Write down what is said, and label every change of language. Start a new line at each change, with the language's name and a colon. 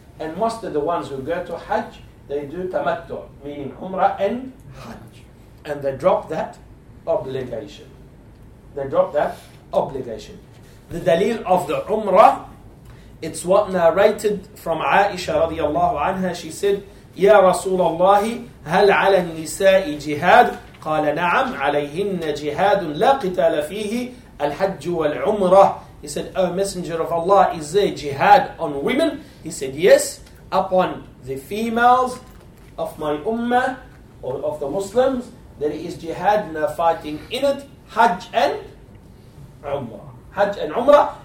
English: And most of the ones who go to Hajj, they do Tamattu, meaning Umrah and Hajj. And they drop that obligation. They drop that obligation. The dalil of the Umrah, it's what narrated from Aisha radiallahu anha.
Arabic: She said, يا رسول الله هل على النساء جهاد؟ قال نعم عليهن جهاد لا قتال فيه الحج والعمرة.
English: He said, O Messenger of Allah, is there jihad on women? He said, yes, upon the females of my ummah or of the Muslims, there is jihad, no fighting in it, Hajj and Umrah. Hajj and Umrah.